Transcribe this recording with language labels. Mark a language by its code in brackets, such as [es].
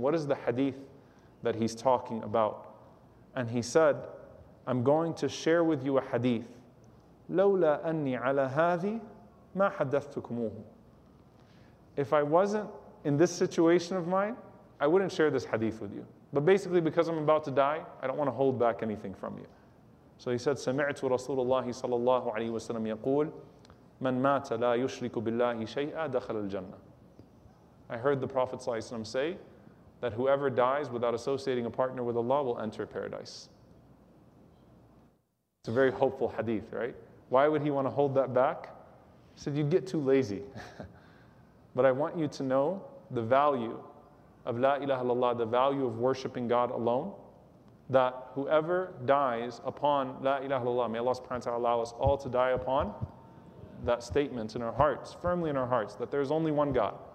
[en] What is the hadith that he's talking about? And he said, I'm going to share with you a hadith. [ar] لَوْلَا أَنِّي عَلَى هَذِي مَا حَدَّثْتُكُمُوهُ. [en] If I wasn't in this situation of mine, I wouldn't share this hadith with you. But basically, because I'm about to die, I don't want to hold back anything from you. So he said, [ar] سَمِعْتُ رَسُولَ اللَّهِ صَلَى اللَّهُ عَلَيْهِ وَسَلَمْ يَقُولُ مَنْ مَاتَ لَا يُشْرِكُ بِاللَّهِ شَيْئًا دَخَلَ الْجَنَّةِ. [en] I heard the Prophet ﷺ say, that whoever dies without associating a partner with Allah will enter paradise. It's a very hopeful hadith, right? Why would he want to hold that back? He said, you'd get too lazy. But I want you to know the value of la ilaha illallah, the value of worshiping God alone, that whoever dies upon la ilaha illallah, may Allah subhanahu wa ta'ala allow us all to die upon that statement in our hearts, firmly in our hearts, that there is only one God.